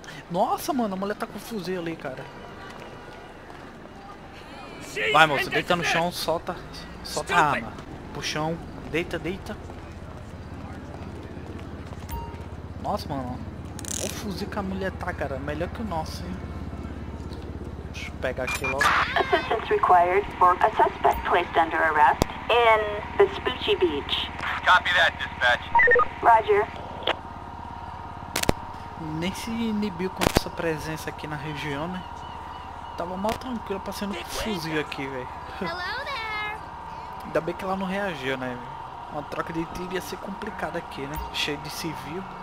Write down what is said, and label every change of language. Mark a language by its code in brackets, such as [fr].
[pt] Nossa, mano, a mulher tá com fuzil ali, cara. Vai, moço, deita no chão, solta. Solta a arma. Pro chão. Deita, deita. Nossa, mano. Olha o fuzil que a mulher tá, cara. Melhor que o nosso, hein? Pegar aqui logo. [en] Assistance required for a suspect placed under arrest in Vespucci Beach. Copy that, dispatch. Roger. [pt] Nem se inibiu com essa presença aqui na região, né? Tava mal tranquilo passando com fuzil aqui, velho. Ainda bem que ela não reagiu, né? Uma troca de tiro ia ser complicada aqui, né? Cheio de civil.